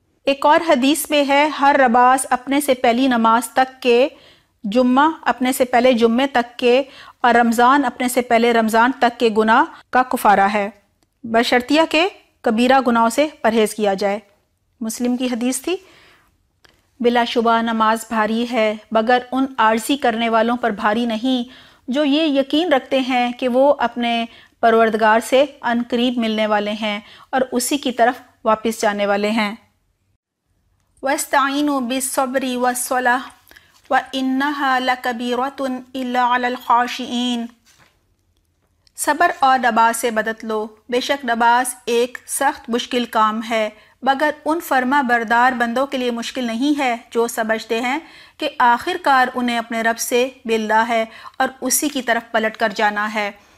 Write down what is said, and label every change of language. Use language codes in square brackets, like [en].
[ur] ایک اور حدیث میں ہے، ہر رباس اپنے سے پہلی نماز تک کے، جمعہ اپنے سے پہلے جمعے تک کے، اور رمضان اپنے سے پہلے رمضان تک کے گناہ کا کفارہ ہے، بشرطیہ کے کبیرہ گناہوں سے پرہیز کیا جائے. مسلم کی حدیث تھی. بلا شبہ نماز بھاری ہے، مگر ان عارضی کرنے والوں پر بھاری نہیں جو یہ یقین رکھتے ہیں کہ وہ اپنے پروردگار سے عنقریب ملنے والے ہیں اور اسی کی طرف واپس جانے والے ہیں. [ar] واستعینوا بالصبر والصلاة وإنها لكبيرة إلا على الخاشعين، [ur] صبر اور نماز سے مدد لو، بے شک نماز ایک سخت مشکل کام ہے، مگر ان فرما بردار بندوں کے لیے مشکل نہیں ہے جو سمجھتے ہیں کہ آخر کار انہیں اپنے رب سے ملنا ہے اور اسی کی طرف پلٹ کر جانا ہے.